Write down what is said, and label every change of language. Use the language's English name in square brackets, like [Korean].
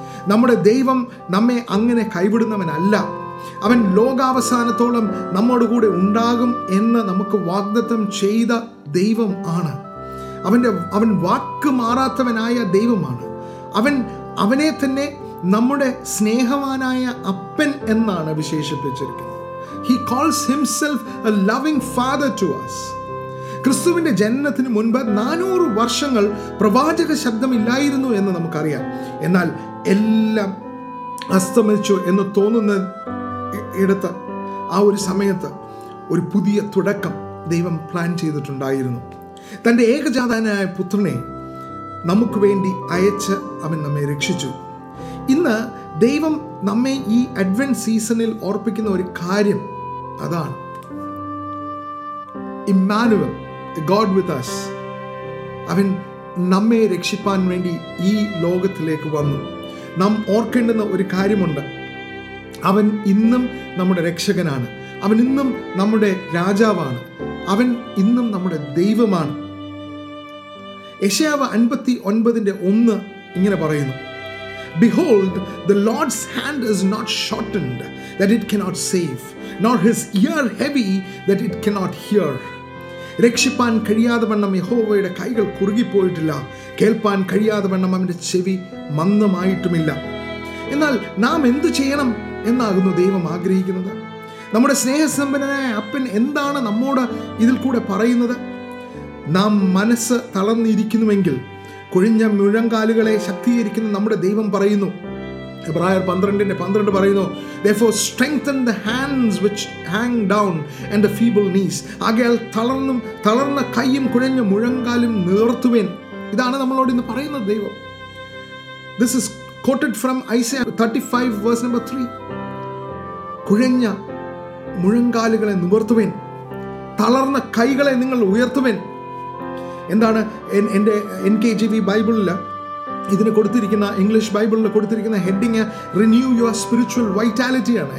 [Malayalam] നമ്മുടെ ദൈവം നമ്മെ അങ്ങനെ കൈവിടുന്നവനല്ല. അവൻ ലോകാവസാനത്തോളം നമ്മോടുകൂടെ ഉണ്ടാകും എന്ന് നമുക്ക് വാഗ്ദത്തം ചെയ്ത ദൈവം ആണ്. അവൻ വാക്ക് മാറാത്തവനായ ദൈവമാണ്. അവനെ തന്നെ നമ്മുടെ സ്നേഹവാനായ അപ്പൻ എന്നാണ് വിശേഷിപ്പിച്ചിരിക്കുന്നത്. [English] He calls himself a loving father to us. [Malayalam] ക്രിസ്തുവിൻ്റെ ജനനത്തിന് മുൻപ് 400 വർഷങ്ങൾ പ്രവാചക ശബ്ദമില്ലായിരുന്നു എന്ന് നമുക്കറിയാം. എന്നാൽ എല്ലാം അസ്തമിച്ചു എന്ന് തോന്നുന്ന ഇടത്ത്, ആ ഒരു സമയത്ത് ഒരു പുതിയ തുടക്കം ദൈവം പ്ലാൻ ചെയ്തിട്ടുണ്ടായിരുന്നു. തൻ്റെ ഏകജാതനായ പുത്രനെ നമുക്ക് വേണ്ടി അയച്ച് അവൻ നമ്മെ രക്ഷിച്ചു. ഇന്ന് ദൈവം നമ്മെ ഈ അഡ്വെന്റ് സീസണിൽ ഓർപ്പിക്കുന്ന ഒരു കാര്യം അതാണ്, ഇമ്മാനുവൽ, ഗോഡ് വിത്ത് അസ്. അവൻ നമ്മെ രക്ഷിപ്പാൻ വേണ്ടി ഈ ലോകത്തിലേക്ക് വന്നു. നാം ഓർക്കേണ്ടുന്ന ഒരു കാര്യമുണ്ട്, അവൻ ഇന്നും നമ്മുടെ രക്ഷകനാണ്, അവൻ ഇന്നും നമ്മുടെ രാജാവാണ്, അവൻ ഇന്നും നമ്മുടെ ദൈവമാണ്. [English] യെശയ്യാവ് 59:1 ഇങ്ങനെ പറയുന്നു, Behold, the Lord's hand is not shortened that it cannot save, nor his ear heavy that it cannot hear. [Malayalam] രക്ഷിപ്പാൻ കഴിയാത്തവണ്ണം യഹോവയുടെ കൈകൾ കുറുകിപ്പോയിട്ടില്ല, കേൾപ്പാൻ കഴിയാത്തവണ്ണം അവൻ്റെ ചെവി മന്ദമായിട്ടുമില്ല. എന്നാൽ നാം എന്ത് ചെയ്യണം എന്നാകുന്നു ദൈവം ആഗ്രഹിക്കുന്നത്? നമ്മുടെ സ്നേഹസമ്പന്നനായ അപ്പൻ എന്താണ് നമ്മോട് ഇതിൽ കൂടെ പറയുന്നത്? [English] നാം മനസ്സ് തളർന്നിരിക്കുന്നുവെങ്കിൽ കുഴിഞ്ഞ മുഴങ്കാലുകളെ ശക്തീകരിക്കുന്ന നമ്മുടെ ദൈവം പറയുന്നു, എബ്രായർ 12:12 പറയുന്നു, Therefore strengthen the hands which hang down and the feeble knees. [Malayalam] ആകയാൽ തളർന്ന കൈയും കുഴഞ്ഞ മുഴങ്കാലും നിവർത്തുവേൻ. ഇതാണ് നമ്മളോട് ഇന്ന് പറയുന്നത് ദൈവം. [English] This is quoted from Isaiah 35:3. [Malayalam] കുഴഞ്ഞ മുഴങ്കാലുകളെ നിവർത്തുവേൻ, തളർന്ന കൈകളെ നിങ്ങൾ ഉയർത്തുവേൻ. എന്താണ് എൻ്റെ NKJV ബൈബിളിൽ ഇതിന് കൊടുത്തിരിക്കുന്ന, ഇംഗ്ലീഷ് ബൈബിളിൽ കൊടുത്തിരിക്കുന്ന ഹെഡിങ്, റിന്യൂ യുവർ സ്പിരിച്വൽ വൈറ്റാലിറ്റിയാണ്.